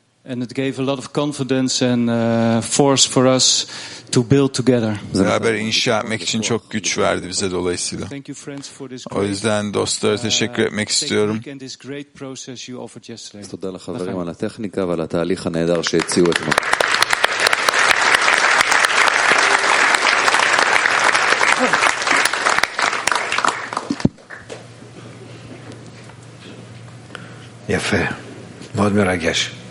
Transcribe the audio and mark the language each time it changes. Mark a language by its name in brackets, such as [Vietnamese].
[English] And it gave a lot of confidence and force for us to build together. [Turkish] Beraber inşa etmek için çok güç verdi bize dolayısıyla. [English] Thank you friends for this. [Turkish] O yüzden dostlara teşekkür etmek istiyorum. [English] And this great process you offered yesterday. [Hebrew] תודה לחברים על הטכניקה ועל התהליך הנהדר שהציעו אתמול. יפה, מאוד מרגש.